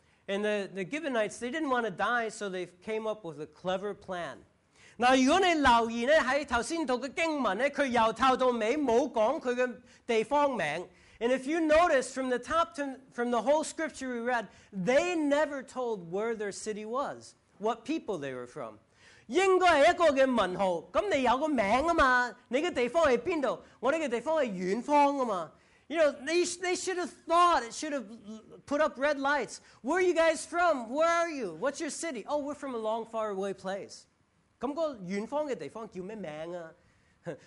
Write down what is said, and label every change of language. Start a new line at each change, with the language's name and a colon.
English: And the Gibeonites, they didn't want to die, so they came up with a clever plan.
Chinese: 那如果你留意呢,在刚才读的经文呢,他由头到尾没有讲他的地方名。
English: And if you notice, from the top to from the whole scripture we read, they never told where their city was, what people they were from.
Chinese: 应该是一个的问号,那你有个名字嘛,你的地方在哪里,我们的地方在远方嘛。
English: You know, they should have thought, it should have put up red lights. Where are you guys from? Where are you? What's your city? Oh, we're from a long, far away place.
Chinese: 那远方的地方叫什么名字?